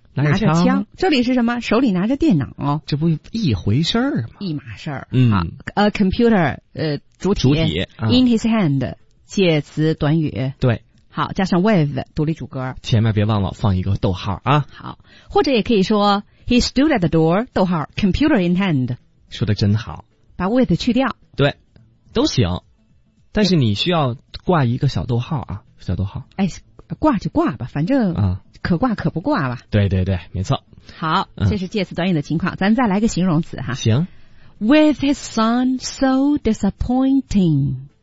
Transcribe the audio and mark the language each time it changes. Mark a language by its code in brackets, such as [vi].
[zh] 拿着枪。这里是什么？手里拿着电脑。这不一回事儿吗？一码事儿。 [en] A computer， [zh] 主体。主体。 [en] In his hand， [zh] 介词短语。对。好，加上 with 独立主格。前面别忘了放一个逗号啊。好，或者也可以说。 [en] He stood at the door, [zh] 逗号 [en] computer in hand. [zh] 说得真好。把 with 去掉。对，都行。但是你需要挂一个小逗号啊，小逗号。哎，挂就挂吧，反正可挂可不挂吧。对对对，没错。好，这是介词短语的情况，咱再来个形容词哈。行。 [en] With his son so disappointing.